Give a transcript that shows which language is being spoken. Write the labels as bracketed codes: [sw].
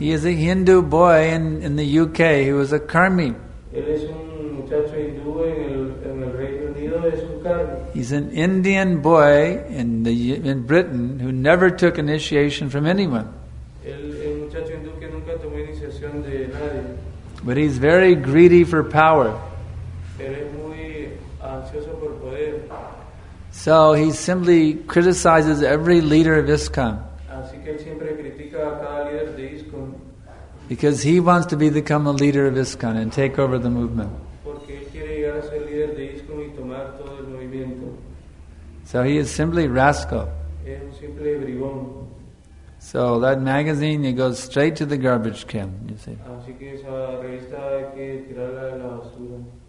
[en] He is a Hindu boy in the UK. He was a karmi. [es] Él es un muchacho hindú en el Reino Unido. Es un karmi. [en] He's an Indian boy in Britain who never took initiation from anyone. [es] Él hindú que nunca tomó iniciación de nadie. [en] But he's very greedy for power. [es] Él es muy ansioso por poder. [en] So he simply criticizes every leader of ISKCON. [es] Así que él siempre critica a cada líder de ISKCON. [en] Because he wants to become a leader of ISKCON and take over the movement. [es] Porque él quiere llegar a ser líder de ISKCON y tomar todo el movimiento. [en] So he is simply rascal. [es] Es un simple bribón. [en] So that magazine, it goes straight to the garbage can, you see. [es] Así que esa revista hay que tirarla a la basura.